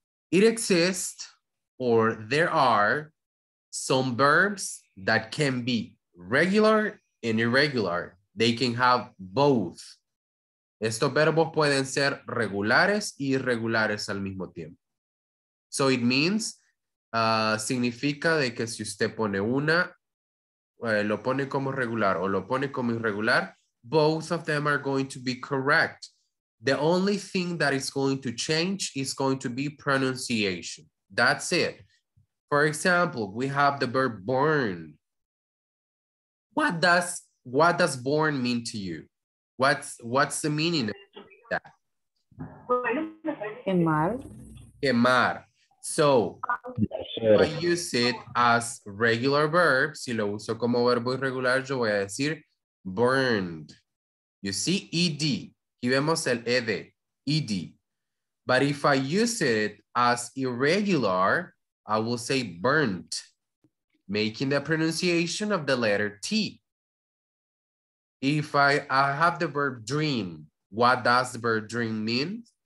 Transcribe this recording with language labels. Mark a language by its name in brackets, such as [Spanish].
[English] It exists, or there are some verbs that can be regular and irregular. They can have both. [Spanish] Estos verbos pueden ser regulares y irregulares al mismo tiempo. [English] So it means, [Spanish] significa de que si usted pone una, lo pone como regular o lo pone como irregular, [English] both of them are going to be correct. The only thing that is going to change is going to be pronunciation. That's it. For example, we have the verb born. What does born mean to you? What's the meaning of that? [Spanish] Quemar. Quemar. [English] So, I use it as regular verb. [Spanish] Si lo uso como verbo irregular, yo voy a decir burned. [English] You see, [Spanish] ed. Aquí vemos el ed, ed. [English] But if I use it as irregular, I will say burnt, making the pronunciation of the letter T. If I have the verb dream, what does the verb dream mean?